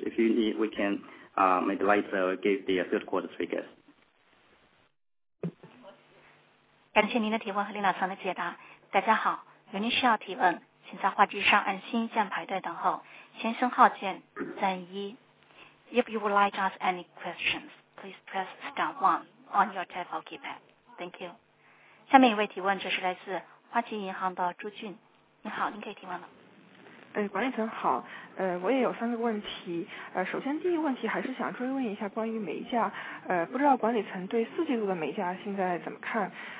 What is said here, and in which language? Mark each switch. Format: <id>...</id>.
<en>If you need, we can make later give the third quarter figures.</en> <zh>感谢您的提问和林老陈的解答。大家好，有您需要提问，请在话机上按星一键排队等候，先生号键站一。</zh> <en>If you would like to ask any questions, please press star one on your telephone keypad. Thank you.</en> <zh>下面一位提问，这是来自花旗银行的朱俊。你好，您可以提问了。管理层好，我也有三个问题。首先第一个问题还是想追问一下关于煤价，不知道管理层对四季度的煤价现在怎么看？</zh>